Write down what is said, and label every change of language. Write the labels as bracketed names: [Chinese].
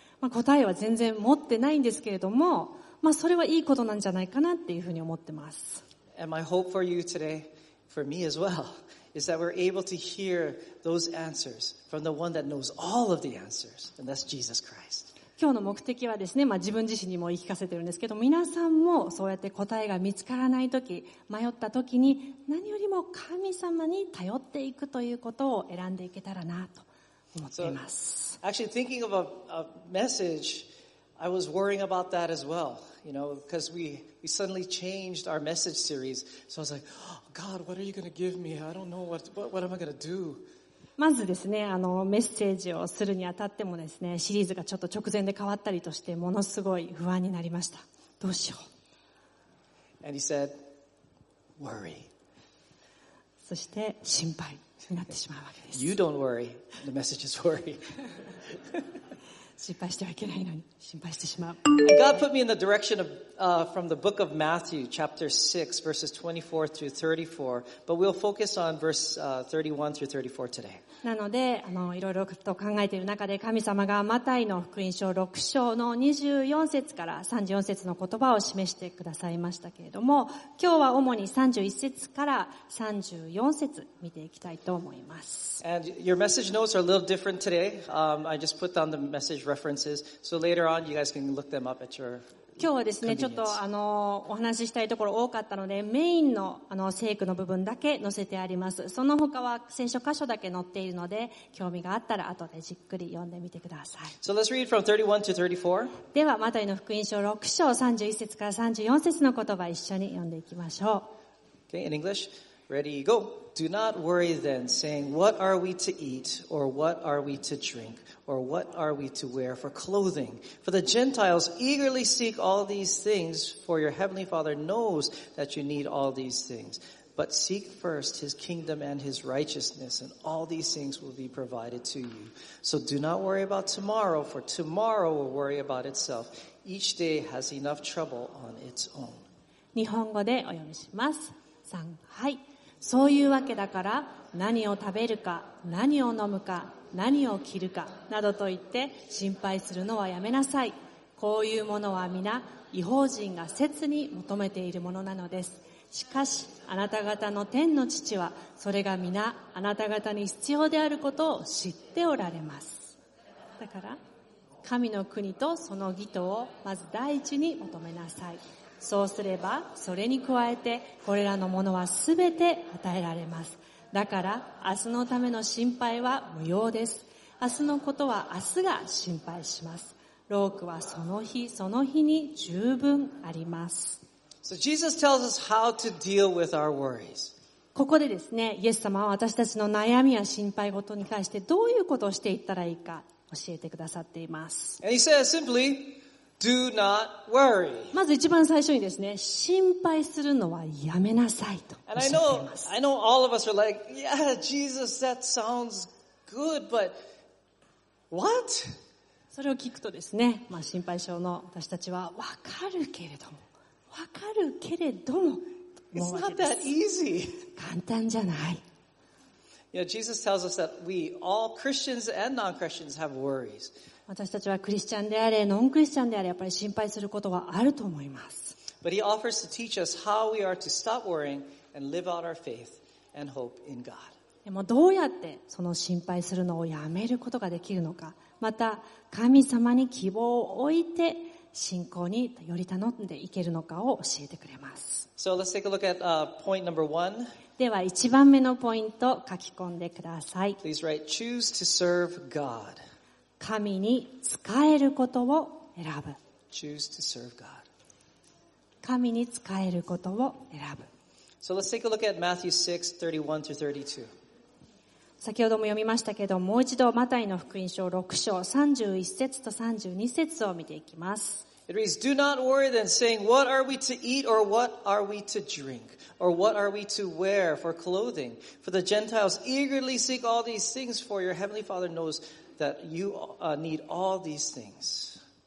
[Japanese] 答えは全然持ってないんですけれども、まあそれはいいことなんじゃないかなっていうふうに思ってます。 [English] And my hope for you today, for me as well, is that we're able to hear those answers from the one that knows all of the answers, and that's Jesus Christ. [Japanese] 今日の目的はですね、まあ、自分自身にも言い聞かせてるんですけど、皆さんもそうやって答えが見つからないとき、迷ったときに、何よりも神様に頼っていくということを選んでいけたらなと思っています。 [English] So, actually, thinking of a message, I was worrying about that as well, you know, because we suddenly changed our message series. So I was like, God, what are you going to give me? I don't know what am I going to do? [Japanese] まずですね、あの、メッセージをするにあたってもですね、シリーズがちょっと直前で変わったりとして、ものすごい不安になりました。どうしよう。 [English] And he said, worry. [Japanese] そして、心配になってしまうわけです。 [English] You don't worry. The message is worry. [Japanese] 心配してはいけないのに、心配してしまう。 [English] And God put me in the direction of, from the book of Matthew, chapter 6, verses 24 through 34, but we'll focus on verse 31 through 34 today. [Japanese] なので、あの、いろいろと考えている中で、神様がマタイの福音書6章の24節から34節の言葉を示してくださいましたけれども、今日は主に31節から34節見ていきたいと思います。 [English] And your message notes are a little different today. I just put down the message references, so later on you guys can look them up at your [Japanese] 今日はですね、ちょっとお話ししたいところ多かったので、メインの聖句の部分だけ載せてあります。その他は聖書箇所だけ載っているので、興味があったら後でじっくり読んでみてください。 [English] So let's read from 31 to 34. [Japanese] では、マタイの福音書6章31節から34節の言葉一緒に読んでいきましょう。 [English] Okay, in English. Ready, go. Do not worry then, saying, what are we to eat, or what are we to drink, or what are we to wear for clothing? For the Gentiles eagerly seek all these things, for your heavenly Father knows that you need all these things. But seek first his kingdom and his righteousness, and all these things will be provided to you. So do not worry about tomorrow, for tomorrow will worry about itself. Each day has enough trouble on its own. [Japanese] 日本語でお読みします。さん、はい。そういうわけだから、何を食べるか、何を飲むか、何を着るか、などと言って心配するのはやめなさい。こういうものは皆、異邦人が切に求めているものなのです。しかし、あなた方の天の父は、それが皆、あなた方に必要であることを知っておられます。だから、神の国とその義とを、まず第一に求めなさい。そうすれば、それに加えて、これらのものはすべて与えられます。だから、明日のための心配は無用です。明日のことは明日が心配します。労苦はその日、その日に十分あります。 [English] So Jesus tells us how to deal with our worries. [Japanese] ここでですね、イエス様は私たちの悩みや心配事に関してどういうことをしていったらいいか教えてくださっています。 [English] And he says simply,Do not worry. [Japanese] まず一番最初にですね、心配するのはやめなさいと教えています。 [English] And I know all of us are like, yeah, Jesus, that sounds good, but what? [Japanese] それを聞くとですね、まあ心配症の私たちはわかるけれども、わかるけれども、 [English] It's not that easy. [Japanese] 簡単じゃない。 [English] You know, Jesus tells us that we, all Christians and non-Christians, have worries. [Japanese] 私たちはクリスチャンであれ、ノンクリスチャンであれ、やっぱり心配することはあると思います。 [English] But he offers to teach us how we are to stop worrying and live out our faith and hope in God. [Japanese] でもどうやってその心配するのをやめることができるのか、また神様に希望を置いて信仰により頼んでいけるのかを教えてくれます。 [English] So let's take a look at point number one. [Japanese] では一番目のポイント書き込んでください。 [English] Please write, choose to serve God. [Japanese] 神に仕えることを選ぶ。 [English] Choose to serve God. [Japanese] 神に仕えることを選ぶ。 [English] So let's take a look at Matthew 6:31 to 32. [Japanese] 先ほども読みましたけど、もう一度マタイの福音書6章31節と32節を見ていきます。 [English] It reads, "Do not worry then, saying, 'What are we to eat, or what are we to drink, or what are we to wear for clothing?' For the Gentiles eagerly seek all these things, for your heavenly Father knows. That you need all these things.